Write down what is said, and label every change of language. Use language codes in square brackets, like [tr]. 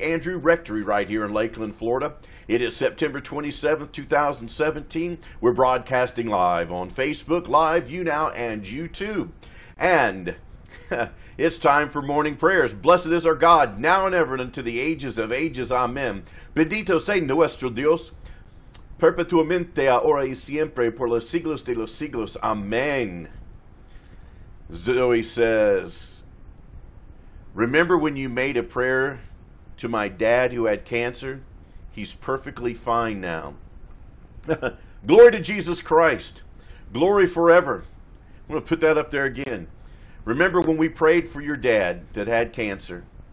[en] Andrew Rectory right here in Lakeland, Florida. It is September 27th, 2017. We're broadcasting live on Facebook Live, YouNow, and YouTube. And it's time for morning prayers. Blessed is our God, now and ever, and unto the ages of ages. [es] Amen. Bendito sea nuestro Dios. Perpetuamente, ahora y siempre, por los siglos de los siglos. Amen. [en] Zoe says, remember when you made a prayer to my dad who had cancer? He's perfectly fine now. Glory to Jesus Christ. Glory forever. I'm going to put that up there again. Remember when we prayed for your dad that had cancer?